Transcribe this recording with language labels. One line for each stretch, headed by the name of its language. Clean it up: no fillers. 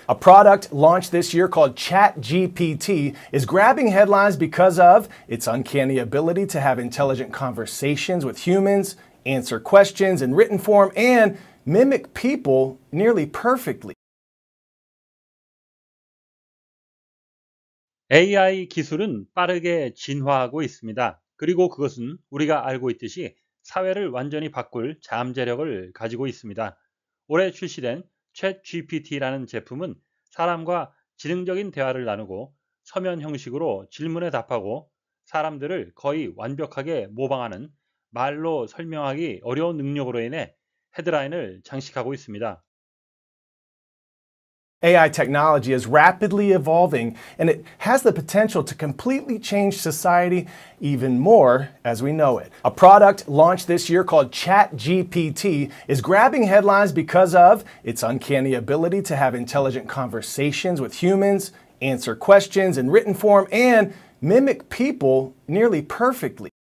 English: A product launched this year called ChatGPT is grabbing headlines because of its uncanny ability to have intelligent conversations with humans, answer questions in written form, and mimic people nearly perfectly.
Korean: AI 기술은 빠르게 진화하고 있습니다. 그리고 그것은 우리가 알고 있듯이 사회를 완전히 바꿀 잠재력을 가지고 있습니다. 올해 출시된 ChatGPT라는 제품은 사람과 지능적인 대화를 나누고 서면 형식으로 질문에 답하고 사람들을 거의 완벽하게 모방하는 말로 설명하기 어려운 능력으로 인해 헤드라인을 장식하고 있습니다.
English: AI technology is rapidly evolving, and it has the potential to completely change society even more as we know it. A product launched this year called ChatGPT is grabbing headlines because of its uncanny ability to have intelligent conversations with humans, answer questions in written form, and mimic people nearly perfectly.